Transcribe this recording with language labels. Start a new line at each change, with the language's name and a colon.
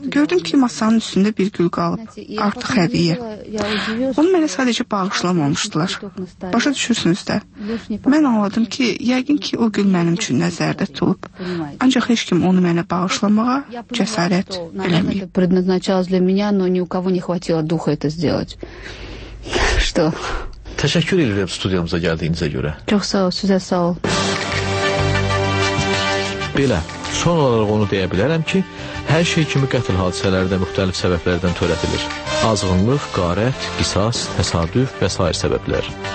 Azerbaijani: Gördüm ki, masanın üstündə bir gül qalıb. Artıq hədiyyə. Onu mənə sadəcə bağışlamamışdılar. Başa düşürsünüz də. Mən anladım ki, yəqin ki, o gül mənim üçün nəzərdə tutulub. Ancaq heç kim onu mənə bağışlamağa cəsarət eləməyib.
Russian: Это предназначалось для меня, но ни у кого не хватило духа это сделать. Что?
Azerbaijani: Təşəkkür edirəm studiyamıza gəldiyinizə görə. Çox sağ ol, sizə sağ ol. Belə, son olaraq onu deyə bilərəm ki, hər şey kimi qətl hadisələri də müxtəlif səbəblərdən törədilir. Azğınlıq, qarət, qisas, təsadüf və s. səbəblər.